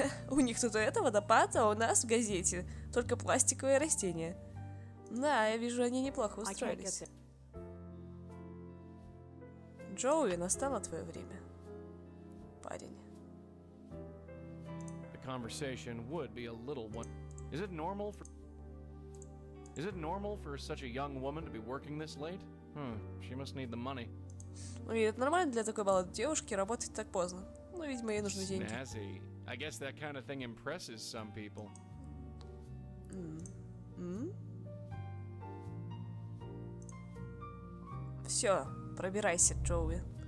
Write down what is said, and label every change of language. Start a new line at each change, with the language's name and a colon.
Russian: У них тут это водопад, а у нас в газете только пластиковые растения. Да, я вижу, они неплохо устроились. Джоуи, настало твое время, парень.
English: The conversation would be a little one. Is it normal for... Is it normal for such a young woman to be working this late? She must need the money.
Russian: Ну, и это нормально для такой молодой девушки работать так поздно. Ну, видимо, ей нужны деньги.
English: Snazzy. I guess that kind of thing impresses some people.
Russian: Все, пробирайся, Джоуи.